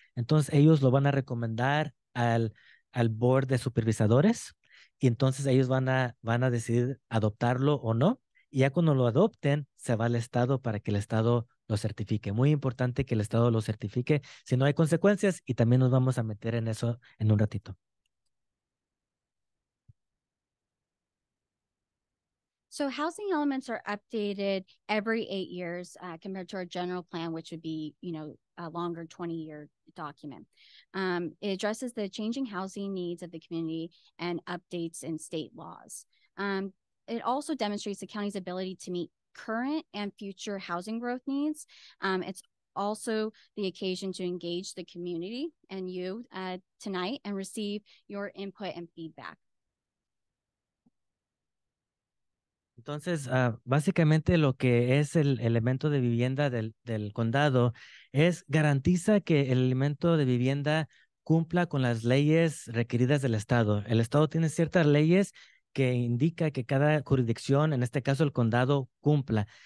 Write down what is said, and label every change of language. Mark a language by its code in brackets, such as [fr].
[es] Entonces, ellos lo van a recomendar al board de supervisadores, y entonces ellos van a decidir adoptarlo o no, y ya cuando lo adopten, se va al estado para que el estado lo certifique. Muy importante que el estado lo certifique, si no hay consecuencias, y también nos vamos a meter en eso en un ratito. [en] So housing elements are updated every 8 years compared to our general plan, which would be, a longer 20-year document. It addresses the changing housing needs of the community and updates in state laws. It also demonstrates the county's ability to meet current and future housing growth needs. It's also the occasion to engage the community and you tonight and receive your input and feedback. [es] Entonces, básicamente lo que es el elemento de vivienda del condado es garantiza que el elemento de vivienda cumpla con las leyes requeridas del estado. El estado tiene ciertas leyes que indica que cada jurisdicción, en este caso el condado, cumpla.